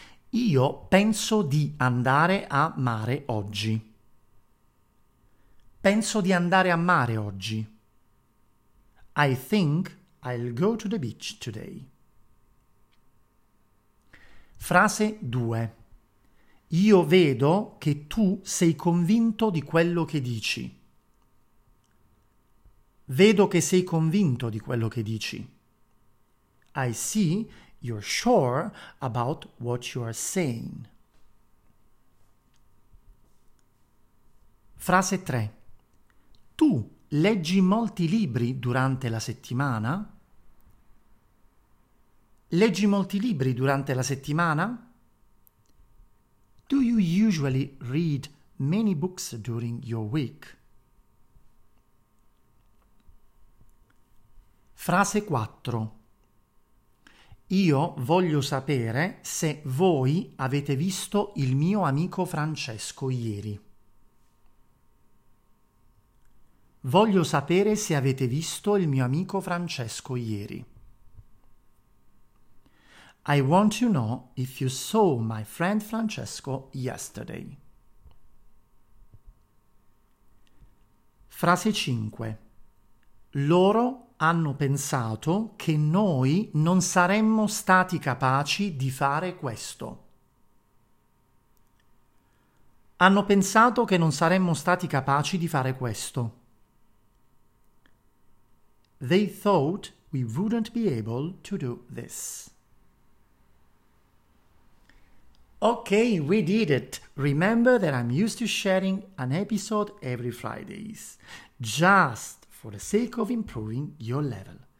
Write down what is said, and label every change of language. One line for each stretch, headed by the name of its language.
Italian: Io penso di andare a mare oggi. Penso di andare a mare oggi.
English: I think I'll go to the beach today.
Italian: Frase 2. Io vedo che tu sei convinto di quello che dici. Vedo che sei convinto di quello che dici.
English: I see you're sure about what you are saying.
Italian: Frase 3. Tu leggi molti libri durante la settimana? Leggi molti libri durante la settimana?
English: Do you usually read many books during your week?
Italian: Frase 4. Io voglio sapere se voi avete visto il mio amico Francesco ieri. Voglio sapere se avete visto il mio amico Francesco ieri.
English: I want to know if you saw my friend Francesco yesterday.
Italian: Frase 5. Loro hanno pensato che noi non saremmo stati capaci di fare questo. Hanno pensato che non saremmo stati capaci di fare questo.
English: They thought we wouldn't be able to do this. Okay, we did it. Remember that I'm used to sharing an episode every Fridays, just for the sake of improving your level.